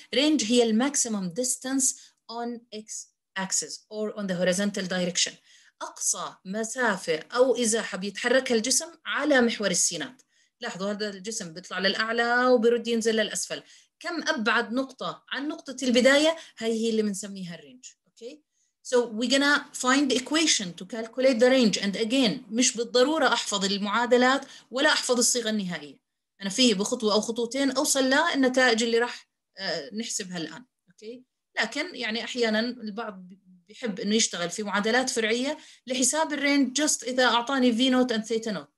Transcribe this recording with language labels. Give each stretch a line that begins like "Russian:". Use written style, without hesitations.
English: Range هي الماكسيمم distance on x axis or on the horizontal direction.
Arabic: أقصى مسافة أو إزاحة بيتحرك الجسم على محور السينات. لاحظوا هذا الجسم بيطلع للأعلى وبيرد ينزل للأسفل. كم أبعد نقطة عن نقطة البداية, هاي هي اللي بنسميها الرينج.
English: Okay, so we're gonna find the equation to calculate the range.
Arabic: And again, مش بالضرورة أحفظ المعادلات ولا أحفظ الصيغة النهائية. أنا فيه بخطوة أو خطوتين أوصل للنتائج اللي راح نحسبها الآن. Okay, لكن يعني أحياناً البعض يحب إنه يشتغل في معادلات فرعية لحساب الرينج
English: just
Arabic: إذا أعطاني V note and theta note.